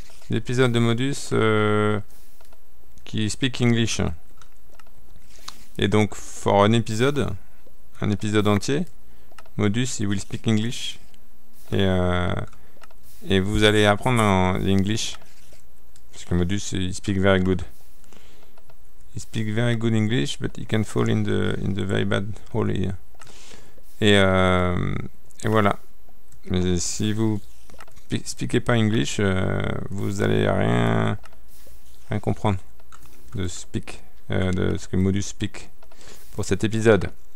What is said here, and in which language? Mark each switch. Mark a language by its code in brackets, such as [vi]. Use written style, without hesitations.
[fr] L'épisode de Modus qui [en] speak English. [fr] Et donc, [en] for [fr] un épisode entier, Modus, il [en] will speak English. [fr] Et vous allez apprendre en [en] English. [fr] Parce que Modus, il [en] speak very good. He speaks very good English, but he can fall in the very bad hole here. [fr] Et voilà. Mais si vous speakez pas [en] English, [fr] vous allez rien comprendre de [en] speak [fr] de ce que Modus speak pour cet épisode.